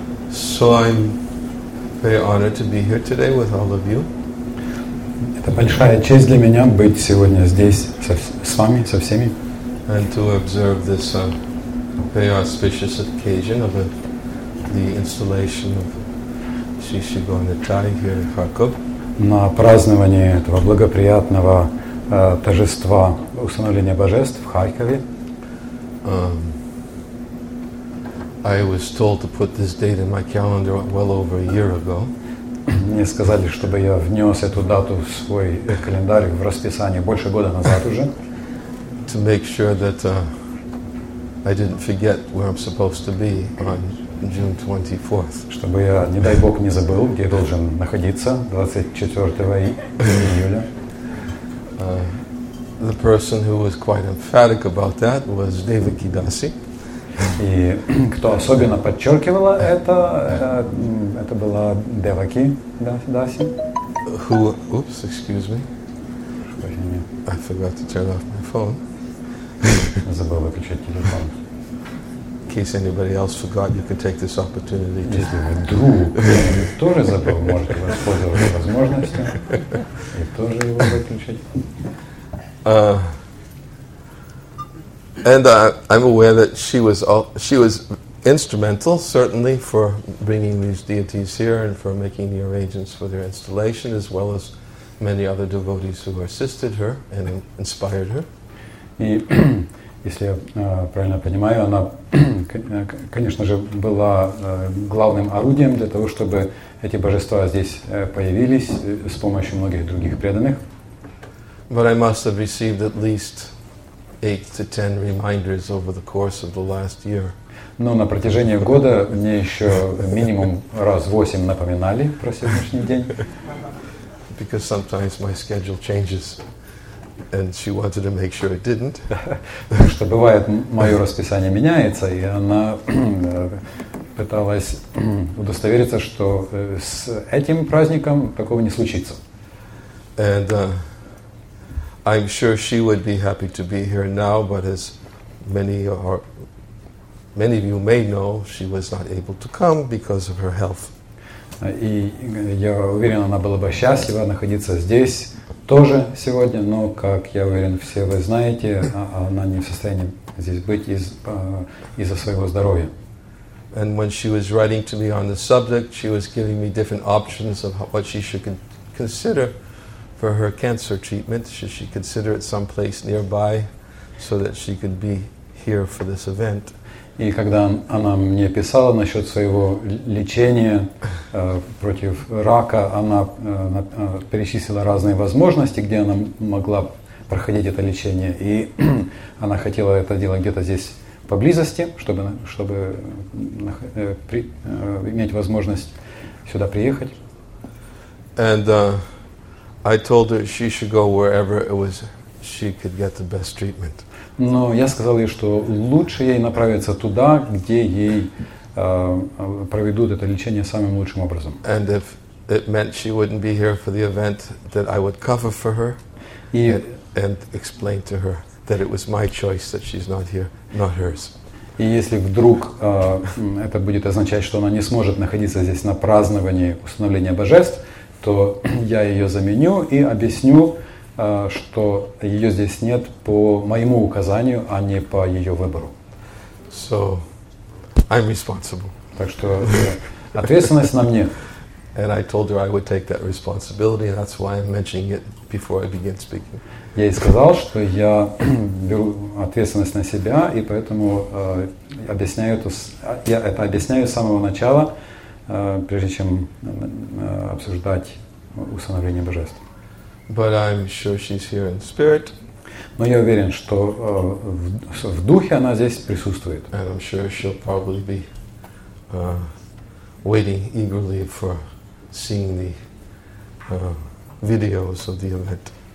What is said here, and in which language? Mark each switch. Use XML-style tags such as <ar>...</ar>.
<en>So I'm very honored to be here today with all of you.</en> <ru>Это большая честь для меня быть сегодня здесь с вами, со всеми.</ru> <en>And to observe this very auspicious occasion of the installation of Shri Shri Gaur-Nitai here in Kharkov.</en> <ru>На празднование этого благоприятного торжества установления божеств в Харькове.</ru> <en>I was told to put this date in my calendar well over a year ago.</en> <ru>Мне сказали, чтобы я внес эту дату в свой календарь, в расписание больше года назад уже.</ru> <en>To make sure that I didn't forget where I'm supposed to be on June 24th.</en> <ru>Чтобы я, не дай бог, не забыл, где я должен находиться 24 июля.</ru> <en>The person who was quite emphatic about that was Devaki Dasi.</en> <ru>И кто особенно подчеркивала это была Деваки Даси.</ru> <en>Who, oops, excuse me. I forgot to turn off my phone.</en> <ru>Забыл выключить телефон.</ru> <en>In case anybody else forgot, you could take this opportunity to...</en> <ru>Если вдруг тоже забыл, можете воспользоваться возможностью и тоже его выключить.</ru> <en>And I'm aware that she was instrumental, certainly, for bringing these deities here and for making the arrangements for their installation, as well as many other devotees who assisted her and inspired her.</en> <ru>И если я правильно понимаю, она, конечно же, была главным орудием для того, чтобы эти божества здесь появились с помощью многих других преданных.</ru> <en>But I must have received at least 8 to 10 reminders over the course of the last year.</en> <ru>Но на протяжении года мне еще минимум раз 8 напоминали про сегодняшний день.</ru> <en>Because sometimes my schedule changes, and she wanted to make sure it didn't.</en> <ru>Потому что бывает, мое расписание меняется, и она пыталась удостовериться, что с этим праздником такого не случится.</ru> <en>And I'm sure she would be happy to be here now, but as many of you may know, she was not able to come because of her health.</en> <ru>И я уверен, она была бы счастлива находиться здесь тоже сегодня, но, как я уверен, все вы знаете, она не в состоянии здесь быть из-за своего здоровья.</ru> <en>And when she was writing to me on the subject, she was giving me different options of what she should consider. For her cancer treatment, should she consider it someplace nearby, so that she could be here for this event?</en> <ru>И когда она мне писала насчет своего лечения против рака, она перечислила разные возможности, где она могла проходить это лечение, и она хотела это делать где-то здесь поблизости, чтобы иметь возможность сюда приехать.</ru> <en>And I told her she should go wherever it was she could get the best treatment.</en> <ru>Но я сказал ей, что лучше ей направиться туда, где ей проведут это лечение самым лучшим образом.</ru> <en>And if it meant she wouldn't be here for the event, that I would cover for her and explain to her that it was my choice that she's not here, not hers.</en> <ru>И если вдруг это будет означать, что она не сможет находиться здесь на праздновании установления божеств, то я ее заменю и объясню, что ее здесь нет по моему указанию, а не по ее выбору.</ru> <en>So I'm responsible.</en> <ru>Так что ответственность на мне.</ru> <en>And I told her I would take that responsibility, and that's why I'm mentioning it before I begin speaking.</en> <ru>Я ей сказал, что я беру ответственность на себя, и поэтому объясняю это с самого начала, прежде чем обсуждать усыновление Божества.</ru> <en>But I'm sure she's here in spirit.</en> <ru>Но я уверен, что в духе она здесь присутствует.</ru> <en>And I'm sure she'll probably be waiting eagerly for seeing the videos of the event.</en>